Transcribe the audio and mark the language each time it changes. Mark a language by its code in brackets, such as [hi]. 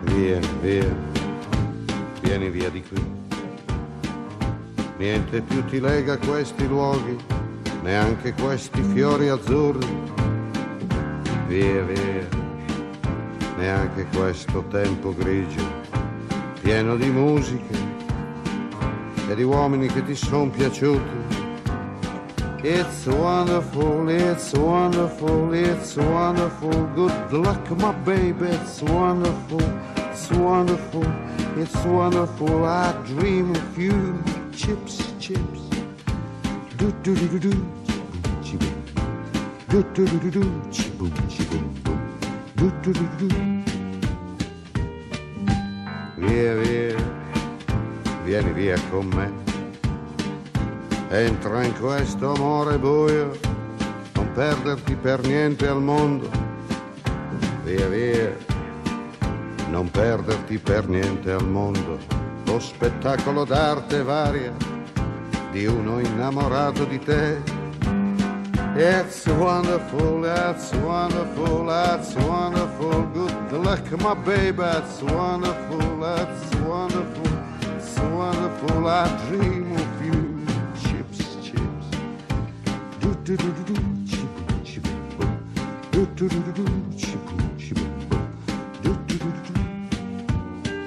[it] Vieni via di qui, niente più ti lega questi luoghi, neanche questi fiori azzurri. Via, via, neanche questo tempo grigio, pieno di musiche e di uomini che ti son piaciuti. [en] It's wonderful, it's wonderful, it's wonderful, good luck my baby, it's wonderful, it's wonderful, it's wonderful, I dream of you, chips, chips, do do do do do, chibum, do do do do do, chibum, chibum, boom, do do do do do. [it] Via, via, vieni via con me, entra in questo amore buio, non perderti per niente al mondo. Via, via, non perderti per niente al mondo, lo spettacolo d'arte varia di uno innamorato di te. [en] It's wonderful, that's wonderful, that's wonderful, good luck my baby, it's wonderful, that's wonderful, it's wonderful, I dream of you, chips, chips, do do do do do, chip, chip, boom, do do do do do, chip, chip, boom, do do do do do.